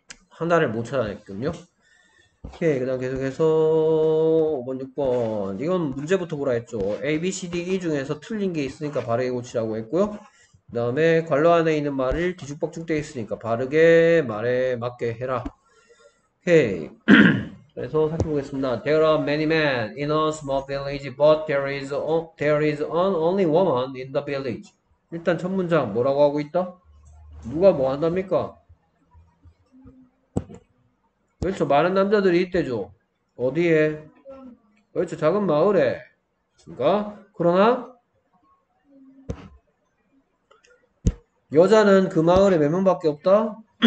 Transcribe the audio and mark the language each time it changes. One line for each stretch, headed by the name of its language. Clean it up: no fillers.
Korean: 하나를 못 찾아냈군요. 오케이. 그 다음 계속해서 5번, 6번. 이건 문제부터 보라 했죠. A, B, C, D, E 중에서 틀린 게 있으니까 바르게 고치라고 했고요. 그 다음에 관로 안에 있는 말을 뒤죽박죽 돼 있으니까 바르게 말에 맞게 해라. 오케이. 그래서 살펴보겠습니다.
English: There are many men in a small village, but there is only woman in the village.
Korean: 일단 첫 문장 뭐라고 하고 있다? 누가 뭐 한답니까? 그렇죠. 많은 남자들이 있대죠. 어디에? 그렇죠. 작은 마을에. 그러니까 그러나 여자는 그 마을에 몇 명밖에 없다?